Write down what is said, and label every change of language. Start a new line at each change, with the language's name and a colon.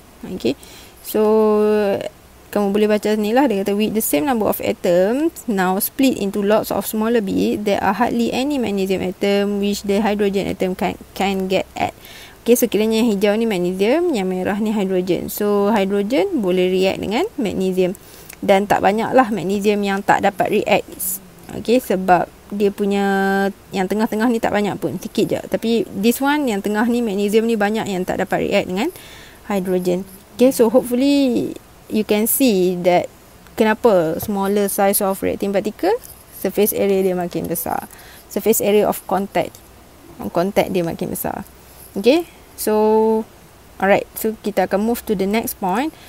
Malay: Okay, so kamu boleh baca ni lah.
English: Dia kata, with the same number of atoms now split into lots of smaller bits, there are hardly any magnesium atom which the hydrogen atom can get at.
Malay: Okay, so kiranya yang hijau ni magnesium, yang merah ni hydrogen. So, hydrogen boleh react dengan magnesium. Dan tak banyak lah magnesium yang tak dapat react. Okay, sebab dia punya yang tengah-tengah ni tak banyak pun. Sikit je. Tapi
English: this one
Malay: yang tengah ni, magnesium ni banyak yang tak dapat react dengan hydrogen.
English: Okay, so hopefully you can see that
Malay: kenapa
English: smaller size of reacting particle, surface area
Malay: dia makin besar.
English: Surface area of contact. Contact
Malay: dia makin besar.
English: Okay, so alright, so
Malay: kita akan
English: move to the next point.